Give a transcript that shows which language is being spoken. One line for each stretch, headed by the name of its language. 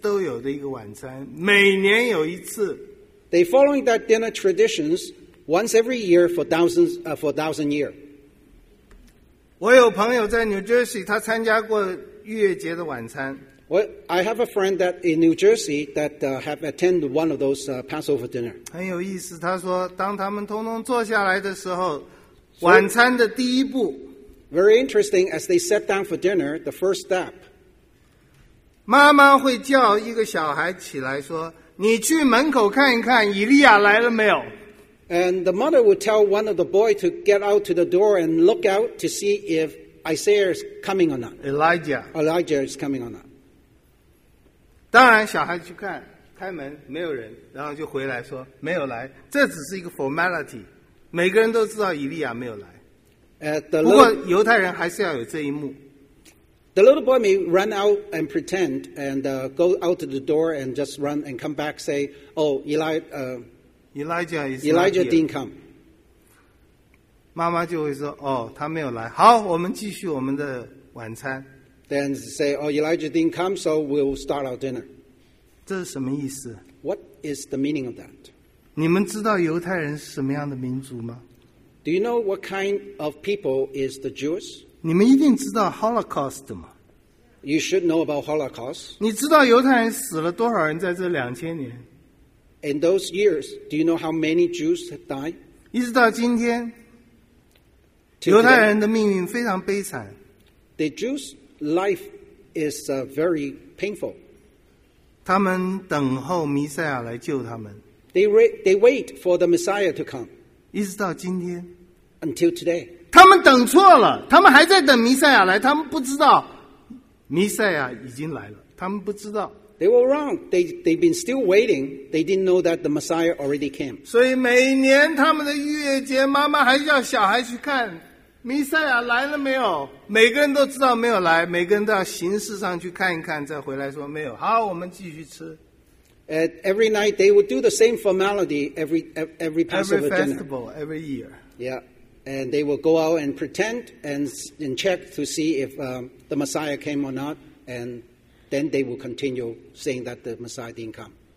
Chinese: 那个是犹太人千年来一直都有的一个晚餐，每年有一次。
English: They following that dinner traditions once every year for thousand years.
Chinese: 我有朋友在 New Jersey， 他参加过逾越节的晚餐。
English: Well, I have a friend that in New Jersey that have attended one of those Passover dinner.
Chinese: 很有意思，他说，当他们通通坐下来的时候，晚餐的第一步。
English: Very interesting, as they sat down for dinner, the first step.
Chinese: 妈妈会叫一个小孩起来说，你去门口看一看，以利亚来了没有。
English: And the mother would tell one of the boys to get out to the door and look out to see if Isaiah is coming or not. Elijah is coming or not.
Chinese: 当然小孩去看，开门，没有人，然后就回来说，没有来。这只是一个 formality。每个人都知道以利亚没有来。不过犹太人还是要有这一幕。
English: The little boy may run out and pretend and go out to the door and just run and come back say, Elijah didn't come.
Chinese: 妈妈就会说，哦，他没有来。好，我们继续我们的晚餐。
English: Then say, oh, Elijah didn't come, so we'll start our dinner.
Chinese: 这是什么意思？
English: What is the meaning of that?
Chinese: 你们知道犹太人是什么样的民族吗？
English: Do you know what kind of people is the Jewish?
Chinese: 你们一定知道 Holocaust 吗？
English: You should know about Holocaust.
Chinese: 你知道犹太人死了多少人在这两千年？
English: In those years, do you know how many Jews have died?
Chinese: 一直到今天，犹太人的命运非常悲惨。
English: The Jews' life is very painful.
Chinese: 他们等候弥赛亚来救他们。
English: They wait for the Messiah to come.
Chinese: 一直到今天。
English: Until today.
Chinese: 他们等错了，他们还在等弥赛亚来，他们不知道弥赛亚已经来了，他们不知道。
English: They were wrong. They've been still waiting. They didn't know that the Messiah already came.
Chinese: 所以每年他们的逾越节，妈妈还叫小孩去看弥赛亚来了没有。每个人都知道没有来，每个人都要形式上去看一看，再回来说没有。好，我们继续吃。
English: At every night they would do the same formality every Passover dinner. Every festival, every year. Yeah, and they would go out and pretend and check to see if the Messiah came or not and. Then they will continue saying that the Messiah didn't come.